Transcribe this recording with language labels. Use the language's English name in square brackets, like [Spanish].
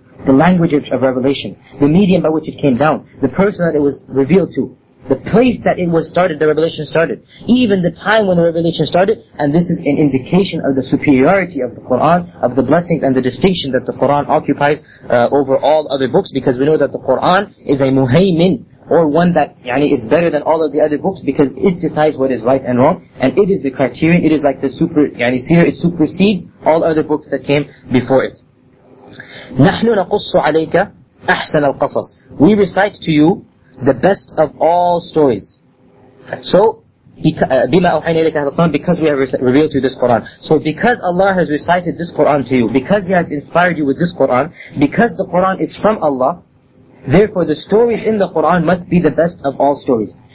[English] The language of revelation, the medium by which it came down, the person that it was revealed to, the place that it was started, the revelation started, even the time when the revelation started, and this is an indication of the superiority of the Qur'an, of the blessings and the distinction that the Qur'an occupies over all other books, because we know that the Qur'an is a muhaymin, or one that yani is better than all of the other books, because it decides what is right and wrong, and it is the criterion, it is like the super, yani seer, it supersedes all other books that came before it. [Arabic] نَحْنُ نَقُصُّ عَلَيْكَ أَحْسَنَ الْقَصَصِ. [English] We recite to you the best of all stories. So, because we have revealed to you this Qur'an. So because Allah has recited this Qur'an to you, because He has inspired you with this Qur'an, because the Qur'an is from Allah, therefore the stories in the Qur'an must be the best of all stories.